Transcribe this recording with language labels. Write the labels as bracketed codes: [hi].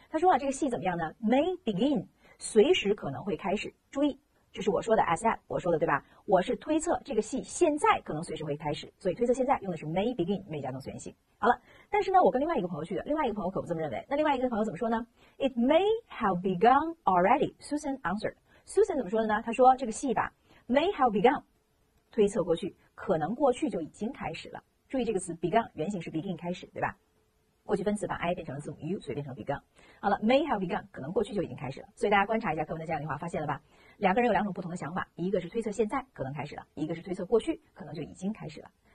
[zh] 他说啊，这个戏怎么样呢？ [en] May begin， [zh] 随时可能会开始。注意，这是我说的 as that， 我说的，对吧？我是推测这个戏现在可能随时会开始，所以推测现在用的是 [en] may begin， [zh] may 加动词原形。好了，但是呢，我跟另外一个朋友去的，另外一个朋友可不这么认为。那另外一个朋友怎么说呢？ [en] It may have begun already， Susan answered。 [zh] Susan 怎么说的呢？他说这个戏吧， [en] may have begun， [zh] 推测过去，可能过去就已经开始了。注意这个词 begun， 原型是 begin， 开始，对吧？过去分词把 I 变成了字母 U， 所以变成 begun。好了， [en] may have begun， [zh] 可能过去就已经开始了。所以大家观察一下课文的这样的话，发现了吧，两个人有两种不同的想法，一个是推测现在可能开始了，一个是推测过去可能就已经开始了。